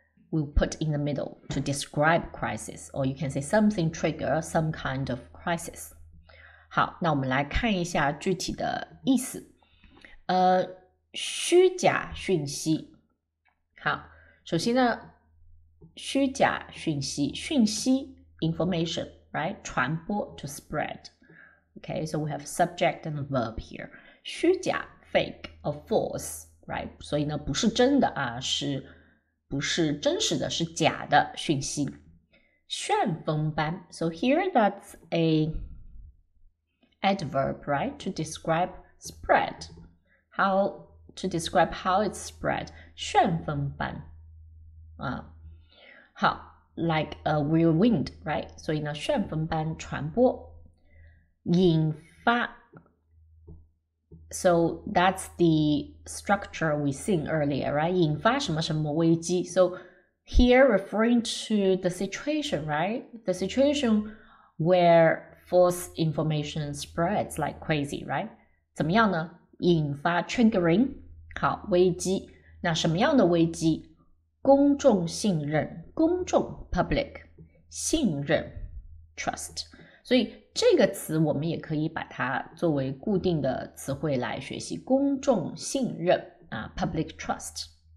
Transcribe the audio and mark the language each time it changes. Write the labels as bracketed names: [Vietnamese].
[English] We'll put in the middle to describe crisis, or you can say something trigger some kind of crisis. [Chinese] 好，那我们来看一下具体的意思。虚假讯息，好，首先呢，虚假讯息，讯息 [English] information, right? [Chinese] 传播 [English] to spread. Okay, so we have subject and verb here. [Chinese] 虚假 [English] fake or false, right? [Chinese] 所以呢，不是真的啊，是不是真实的，是假的讯息。旋风般 [English] so here that's a adverb, right? To describe spread. How? To describe how it's spread, [Chinese] 旋风般啊，好 [English] ，like a whirlwind, right? [Chinese] 所以呢，旋风般传播，引发。 [English] So that's the structure we seen earlier, right? [Chinese] 引发什么什么危机。 [English] So here referring to the situation, right? The situation where false information spreads like crazy, right? [Chinese] 怎么样呢？引发 [English] triggering. [Chinese] 好，危机，那什么样的危机？公众信任，公众 [English] public, [Chinese] 信任 [English] trust。 [Chinese] 所以这个词我们也可以把它作为固定的词汇来学习，公众信任啊 [English] public trust。